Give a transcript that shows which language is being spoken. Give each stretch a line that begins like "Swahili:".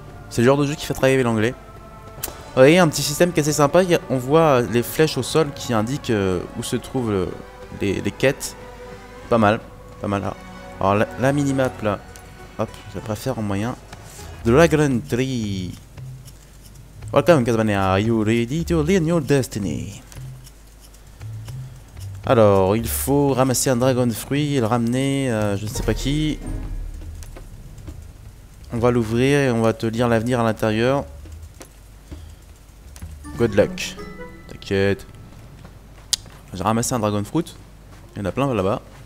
French: C'est le genre de jeu qui fait travailler l'anglais. Vous voyez, un petit système qui est assez sympa. On voit les flèches au sol qui indiquent où se trouvent les quêtes. Pas mal, pas mal là. Alors la minimap là, hop, je préfère en moyen.
English: Dragon Tree. Welcome, Kazmania. Are you ready to learn your destiny?
French: Alors, il faut ramasser un dragon fruit et le ramener à je ne sais pas qui. On va l'ouvrir et on va te lire l'avenir à l'intérieur.
English: Good luck.
French: T'inquiète. J'ai ramassé un dragon fruit. Il y en a plein là-bas.